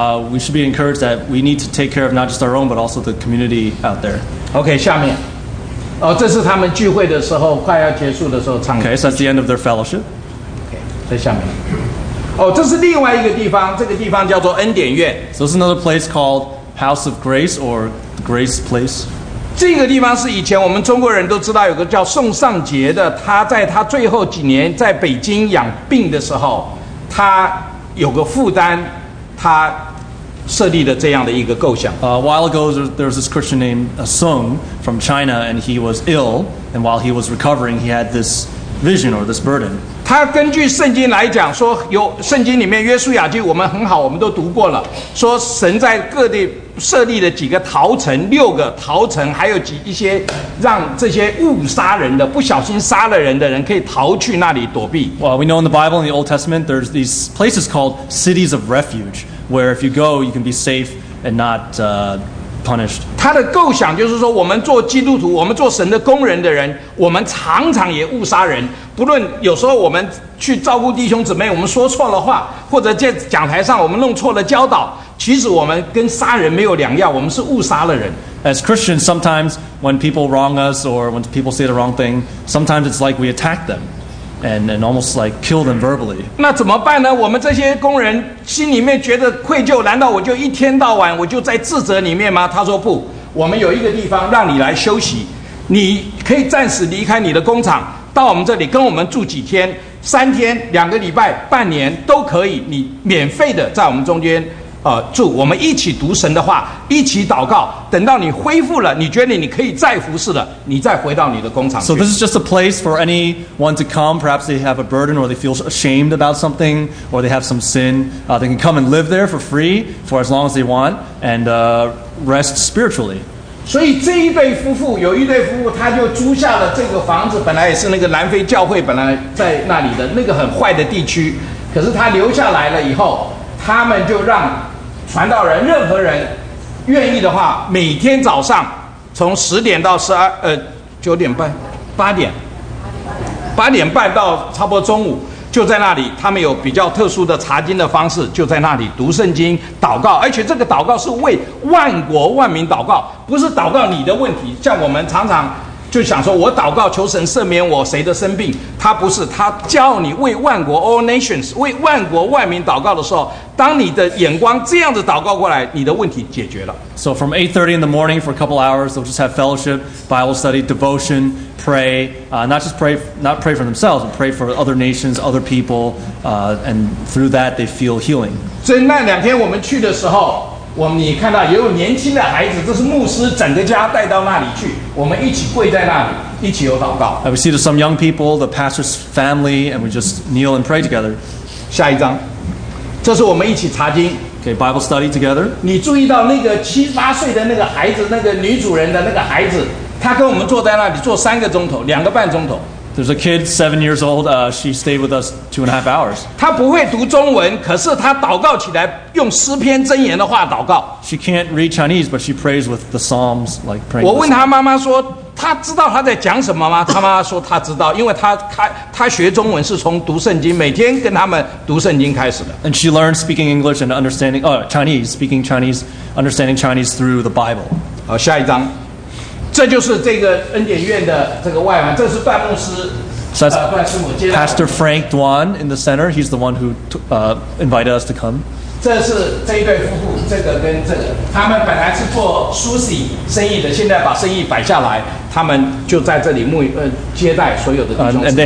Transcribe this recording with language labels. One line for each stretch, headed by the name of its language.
English: We should be encouraged that we need to take care of not just our own but also the community out there. Okay,
Chinese: 下面。哦，这是他们聚会的时候，快要结束的时候唱的。
English: Okay, so that's the end of their fellowship. Okay,
Chinese: 在下面。哦，这是另外一个地方，这个地方叫做恩典院。
English: So it's another place called House of Grace or Grace Place.
Chinese: 这个地方是以前我们中国人都知道有个叫宋尚杰的，他在他最后几年在北京养病的时候，他有个负担，他设立的这样的一个构想。
English: A while ago, there was this Christian named Sung from China, and he was ill. And while he was recovering, he had this vision or this burden.
Chinese: 他根据圣经来讲，说有圣经里面约书亚记，我们很好，我们都读过了。说神在各地设立了几个逃城，六个逃城，还有一些让这些误杀人的、不小心杀了人的人可以逃去那里躲避。
English: Well, we know in the Bible, in the Old Testament, there's these places called cities of refuge. Where if you go, you can be safe and not punished.
Chinese: 他的构想就是说，我们做基督徒，我们做神的工人的人，我们常常也误杀人。不论有时候我们去照顾弟兄姊妹，我们说错了话，或者在讲台上我们弄错了教导，其实我们跟杀人没有两样，我们是误杀了人。
English: As Christians, sometimes when people wrong us or when people say the wrong thing, sometimes it's like we attack them. And almost like kill them verbally.
Chinese: 那怎么办呢？我们这些工人心里面觉得愧疚，难道我就一天到晚我就在自责里面吗？他说不，我们有一个地方让你来休息，你可以暂时离开你的工厂，到我们这里跟我们住几天，3天、2个礼拜、半年都可以，你免费的在我们中间祝我们一起读神的话，一起祷告。等到你恢复了，你觉得你可以再服事了，你再回到你的工厂去。
English: So this is just a place for anyone to come. Perhaps they have a burden, or they feel ashamed about something, or they have some sin. They can come and live there for free for as long as they want and rest spiritually.
Chinese: 所以这一对夫妇，有一对夫妇，他就租下了这个房子，本来也是那个南非教会本来在那里的那个很坏的地区，可是他留下来了以后。他们就让传道人，任何人愿意的话，每天早上从十点到十二，九点半，八点半到差不多中午，就在那里。他们有比较特殊的查经的方式，就在那里读圣经、祷告，而且这个祷告是为万国万民祷告，不是祷告你的问题。像我们常常就想说，我祷告求神赦免我谁的生病，他不是，他叫你为万国
English: all nations
Chinese: 为万国万民祷告的时候。当你的眼光这样子祷告过来，你的问题解决了。
English: So from 8:30 in the morning for a couple hours, they'll just have fellowship, Bible study, devotion, pray. Not pray for themselves, but pray for other nations, other people. And through that, they feel healing.
Chinese: 所以那两天我们去的时候，我们你看到也有年轻的孩子，这是牧师整个家带到那里去，我们一起跪在那里，一起有祷告。
English: And we see to some young people, the pastor's family, and we just kneel and pray together.
Chinese: 下一章。这是我们一起查经。
English: Okay, Bible study together.
Chinese: 你注意到那个七八岁的那个孩子，那个女主人的那个孩子，她跟我们坐在那里坐三个钟头，两个半钟头。
English: There's a kid, 7 years old. She stayed with us 2.5 hours.
Chinese: 她不会读中文，可是她祷告起来用诗篇箴言的话祷告。
English: She can't read Chinese, but she prays with the Psalms, like praying.
Chinese: 我问她妈妈说，她知道她在讲什么吗？她妈妈说她知道，因为她学中文是从读圣经，每天跟他们读圣经开始的。
English: And she learned speaking English and understanding, Chinese, speaking Chinese, understanding Chinese through the Bible.
Chinese: 好，下一章。这就是这个恩典院的这个外环，这是范牧师。
English: So that's Pastor Frank Duan in the center. He's the one who invited us to come.
Chinese: 这是这一对夫妇，这个跟这个，他们本来是做sushi生意的，现在把生意摆下来，他们就在这里接待所有的弟兄。